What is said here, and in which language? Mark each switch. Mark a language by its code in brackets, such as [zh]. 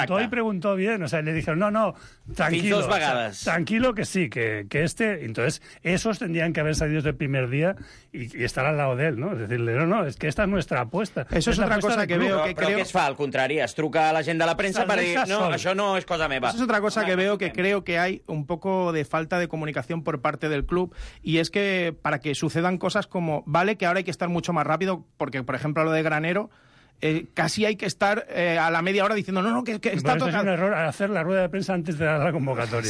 [es] Preguntó bien, o sea, le dijeron, no, tranquilo. [ca] Dos vegades. [es] O sea, tranquilo que sí, que este... Entonces, esos tendrían que haber salido desde el primer día y estar al lado de él, ¿no? Es decirle, no, es que esta es nuestra apuesta. Eso es otra cosa que veo que creo... [ca] Però què es fa, al contrari? Es truca a la gent de la premsa per dir, no, això no és cosa meva. [es] Eso es otra cosa que veo que creo que hay un poco de falta de comunicación por parte del club, y es que para que sucedan cosas como, vale, que ahora hay que estar mucho más rápido, porque, por ejemplo, lo de Granero, casi hay que estar a la media hora diciendo, no, que está tocado. Es un error hacer la rueda de prensa antes de dar la convocatoria.